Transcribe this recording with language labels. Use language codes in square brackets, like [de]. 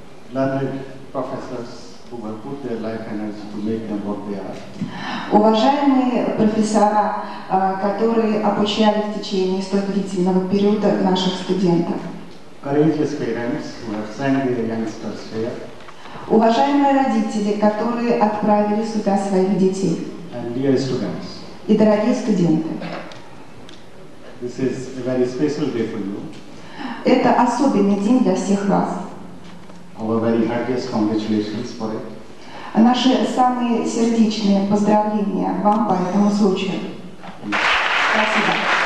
[en] Ladies and professors who will put their life energy to make them what they are. [ru] Уважаемые профессора, которые обучали в течение столь длительного периода наших студентов. [en] Courageous parents who have sent their youngsters here. [ru] Уважаемые родители, которые отправили сюда своих детей. [en] And dear students. [ru] И дорогие студенты. [en] This is a very special day for you. [ru] Это особенный день для всех вас. [en] Our very heartiest congratulations for it. [ru] Наши самые сердечные поздравления вам по этому случаю. Спасибо.